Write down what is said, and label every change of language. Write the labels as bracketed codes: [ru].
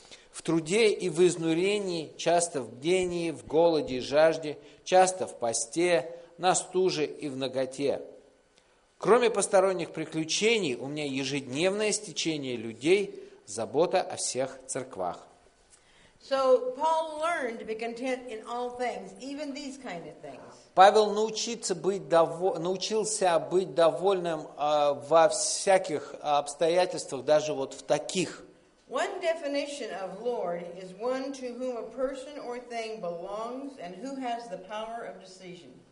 [ru] В труде и в изнурении, часто в бдении, в голоде и жажде, часто в посте, на стуже и в наготе. Кроме посторонних приключений, у меня ежедневное стечение людей, забота о всех церквах. [en] So Paul learned to be content in all things, even these kind of things. [ru] Павел научился быть довольным во всяких обстоятельствах, даже вот в таких. [en] One definition of Lord is one to whom a person or thing belongs and who has the power of decision.